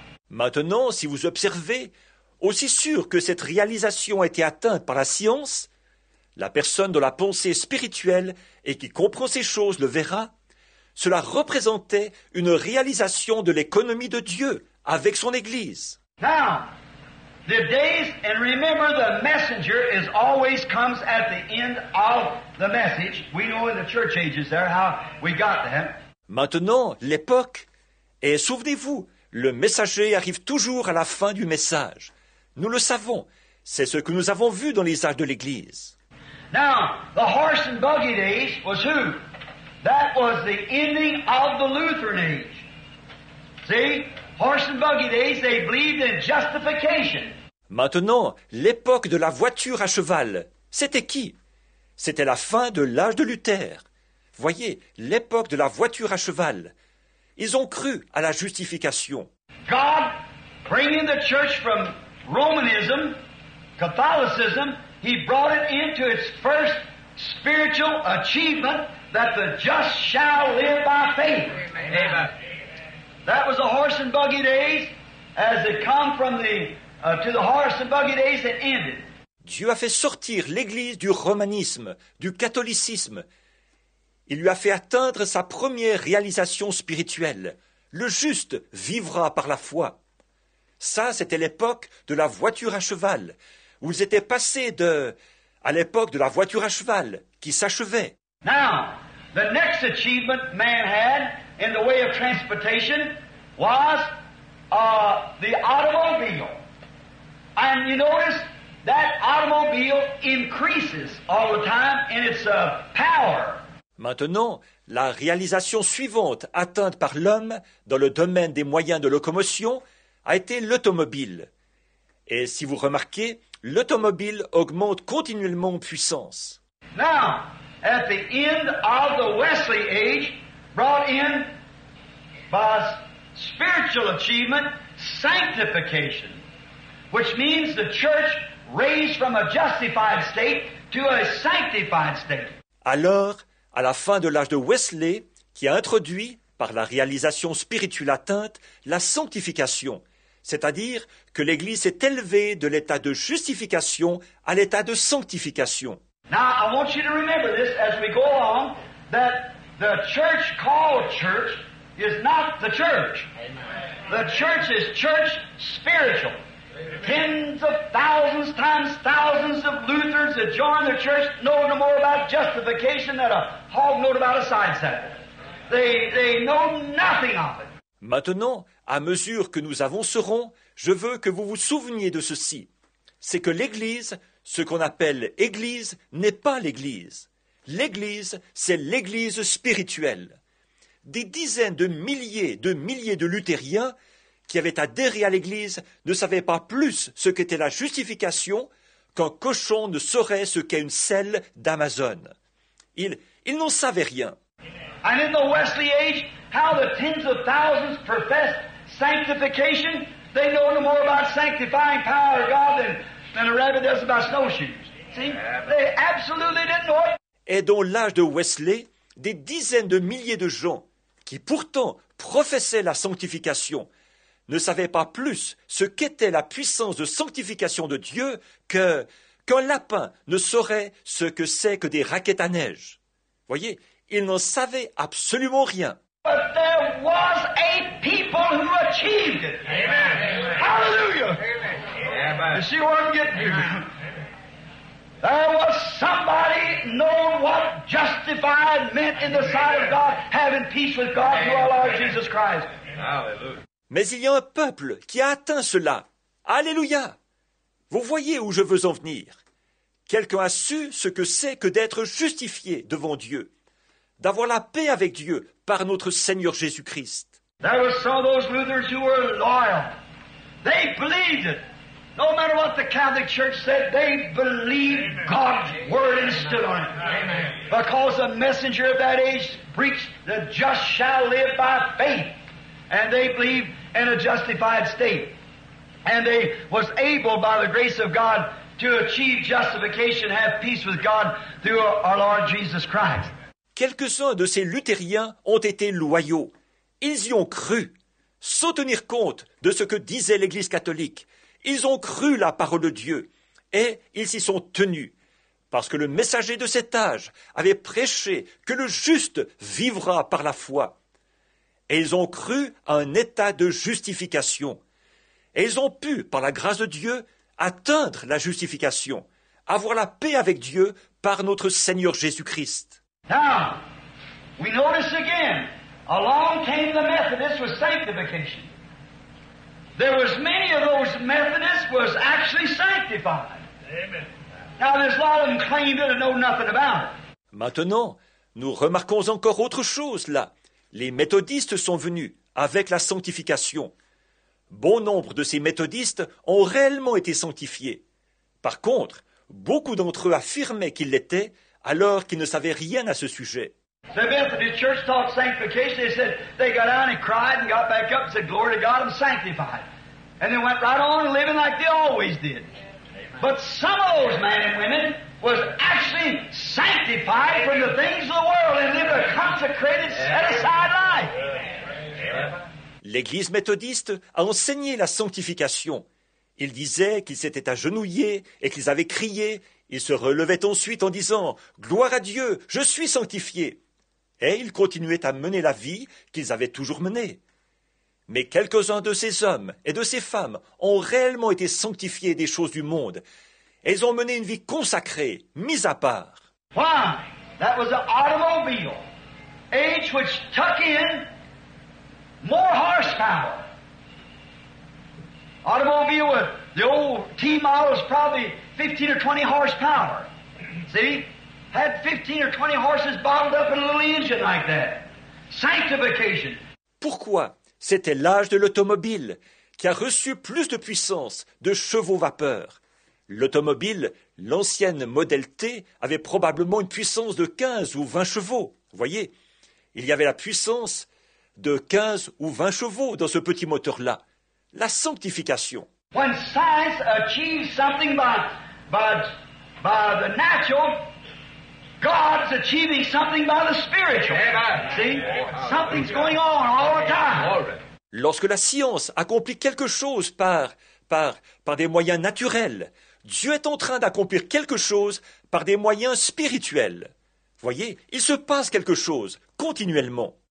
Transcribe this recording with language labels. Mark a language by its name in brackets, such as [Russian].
[French] Maintenant, si vous observez, aussi sûr que cette réalisation a été atteinte par la science, la personne de la pensée spirituelle et qui comprend ces choses le verra, cela représentait une réalisation de l'économie de Dieu avec son Église. [English] Now, the days, and remember the messenger is always comes at the end of the message. We know in the church ages there how we got them. [French] Maintenant, l'époque, et souvenez-vous, le messager arrive toujours à la fin du message. Nous le savons, c'est ce que nous avons vu dans les âges de l'Église. [English] Now, the horse and buggy days was who? That was the ending of the Lutheran age. See? Horse and buggy days, they believed in justification. [French] Maintenant, l'époque de la voiture à cheval, c'était qui? C'était la fin de l'âge de Luther. Voyez, l'époque de la voiture à cheval. Ils ont cru à la justification. [English] God bringing the church from Romanism, Catholicism, he brought it into its first spiritual achievement that the just shall live by faith. Amen. That was the horse and buggy days as it come from the to the horse and buggy days that ended. [French] Dieu a fait sortir l'Église du romanisme, du catholicisme. Il lui a fait atteindre sa première réalisation spirituelle. Le juste vivra par la foi. Ça, c'était l'époque de la voiture à cheval, où ils étaient passés de... à l'époque de la voiture à cheval, qui s'achevait. [English] Now, the next achievement man had in the way of transportation was the automobile. And you notice that automobile increases all the time in its power. [French] Maintenant, la réalisation suivante atteinte par l'homme dans le domaine des moyens de locomotion a été l'automobile. Et si vous remarquez, l'automobile augmente continuellement en puissance. [English] Now, at the end of the Wesley age, brought in by spiritual achievement, sanctification, which means the church raised from a justified state to a sanctified state. [French] Alors, à la fin de l'âge de Wesley, qui a introduit, par la réalisation spirituelle atteinte, la sanctification, c'est-à-dire que l'Église s'est élevée de l'état de justification à l'état de sanctification. [English] Now, I want you to remember this as we go along, that the church called church is not the church. Amen. The church is church spiritual. Amen. Tens of thousands times thousands of Lutherans that joined the church know no more about justification than a hog knows about a side saddle. They know nothing of it. [French] Maintenant, à mesure que nous avancerons, je veux que vous vous souveniez de ceci. C'est que l'Église, ce qu'on appelle Église, n'est pas l'Église. L'Église, c'est l'Église spirituelle. Des dizaines de milliers de luthériens qui avaient adhéré à l'Église ne savaient pas plus ce qu'était la justification qu'un cochon ne saurait ce qu'est une selle d'Amazon. Ils n'en savaient rien. [English] And in the Wesley age, how the tens of thousands profess sanctification, they know no more about sanctifying power of God than a rabbit does about snowshoes. See? They absolutely didn't know it. [French] Et dans l'âge de Wesley, des dizaines de milliers de gens qui pourtant professaient la sanctification ne savaient pas plus ce qu'était la puissance de sanctification de Dieu qu'un lapin ne saurait ce que c'est que des raquettes à neige. Voyez, ils n'en savaient absolument rien. [English] But there was a people who achieved it. Amen. Hallelujah. Amen. You see what I'm getting here? There was somebody knowing what justified meant in the sight of God, having peace with God through our Lord Jesus Christ. Hallelujah. [French] Mais il y a un peuple qui a atteint cela. Alléluia! Vous voyez où je veux en venir. Quelqu'un a su ce que c'est que d'être justifié devant Dieu, d'avoir la paix avec Dieu par notre Seigneur Jésus-Christ. [English] There were some of those Luthers who were loyal. They believed it. No matter what the Catholic Church said, they believed God's word and stood on it. Because a messenger of that age preached, the just shall live by faith. And they believed in a justified state. And they was able, by the grace of God, to achieve justification, have peace with God through our Lord Jesus Christ. [French] Quelques-uns de ces luthériens ont été loyaux. Ils y ont cru, sans tenir compte de ce que disait l'Église catholique. Ils ont cru la parole de Dieu, et ils s'y sont tenus, parce que le messager de cet âge avait prêché que le juste vivra par la foi. Et ils ont cru à un état de justification. Et ils ont pu, par la grâce de Dieu, atteindre la justification, avoir la paix avec Dieu par notre Seigneur Jésus-Christ. [English] Now, we notice again, along came the Methodists with sanctification. There was many of those Methodists was actually sanctified. Amen. Now, there's a lot of them claimed it and know nothing about it. [French] Maintenant, nous remarquons encore autre chose là. Les méthodistes sont venus avec la sanctification. Bon nombre de ces méthodistes ont réellement été sanctifiés. Par contre, beaucoup d'entre eux affirmaient qu'ils l'étaient alors qu'ils ne savaient rien à ce sujet. [English] The Methodist Church taught sanctification. They said they got down and cried and got back up and said, "Glory to God, I'm sanctified." And they went right on living like they always did. But some of those men and women was actually sanctified from the things of the world and lived a consecrated, set-aside life. [French] L'Église méthodiste a enseigné la sanctification. Ils disaient qu'ils s'étaient agenouillés et qu'ils avaient crié. Ils se relevaient ensuite en disant, « Gloire à Dieu, je suis sanctifié !» Et ils continuaient à mener la vie qu'ils avaient toujours menée. Mais quelques-uns de ces hommes et de ces femmes ont réellement été sanctifiés des choses du monde. Et ils ont mené une vie consacrée, mise à part. [English] Why? That was an automobile age which took in more horsepower. Automobile with the old T model is probably 15 or 20 horsepower. See? Had 15 or 20 horses bottled up in a little engine like that. Sanctification. [French] Pourquoi? C'était l'âge de l'automobile qui a reçu plus de puissance de chevaux vapeur. L'automobile, l'ancienne Model T, avait probablement une puissance de 15 ou 20 chevaux. Voyez, il y avait la puissance de 15 ou 20 chevaux dans ce petit moteur-là. La sanctification. [English] When science achieves something by the natural, God's achieving something by the spiritual. See? Something's going on all the time. [French] Lorsque la science accomplit quelque chose par des moyens naturels, Dieu est en train d'accomplir quelque chose par des moyens spirituels. Voyez, il se passe quelque chose continuellement.